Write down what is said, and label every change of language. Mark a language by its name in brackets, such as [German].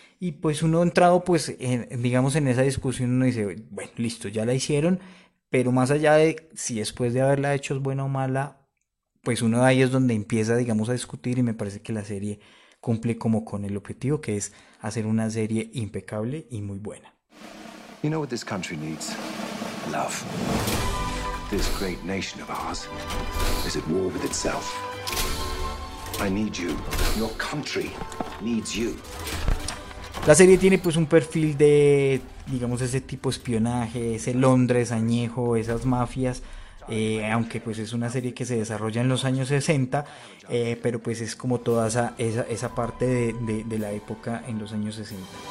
[Spanish] Y pues uno entrado pues digamos en esa discusión, uno dice, bueno, listo, ya la hicieron. Pero más allá de si después de haberla hecho es buena o mala, pues uno de ahí es donde empieza, digamos, a discutir, y me parece que la serie cumple como con el objetivo, que es hacer una serie impecable y muy buena. [English] You know what this country needs? Love. This great nation of ours is at war with itself. I need you. Your country needs you. [Spanish] La serie tiene pues un perfil de, digamos, ese tipo de espionaje, ese Londres añejo, esas mafias. Aunque pues es una serie que se desarrolla en los años 60, pero pues es como toda esa parte de la época en los años 60.